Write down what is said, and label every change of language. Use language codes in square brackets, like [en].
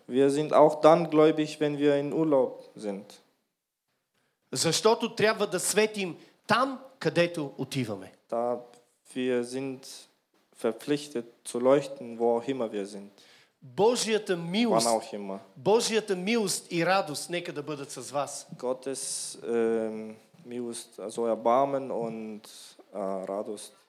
[de] Wir sind auch dann gläubig, wenn wir in Urlaub sind. [bg] Защото трябва да светим там, където отиваме. [de] Da wir sind verpflichtet zu leuchten, wo auch immer wir sind. [bg] Божията милост, [de] wann auch immer. [bg] Божията милост и радост нека да бъдат с вас. [de] Gottes милост, also Erbarmen und Radost.